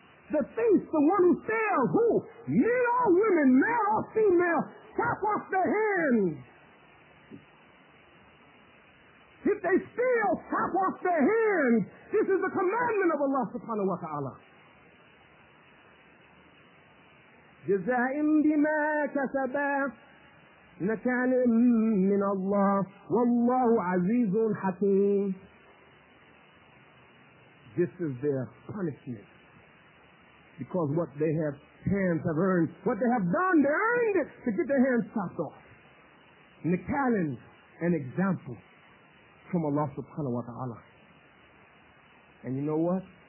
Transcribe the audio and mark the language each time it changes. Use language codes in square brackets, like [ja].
[en] The thief, the one who steals, who? Men or women, male or female, chop off their hands. If they steal, chop off their hands. This is the commandment of Allah subhanahu wa ta'ala. [ar] جزاءً بما كسبا نكالا من الله والله عزيز حكيم. [en] This is their punishment. Because what they have hands have earned, what they have done, they earned it to get their hands chopped off. Nikalin, an example from Allah subhanahu wa ta'ala. And you know what?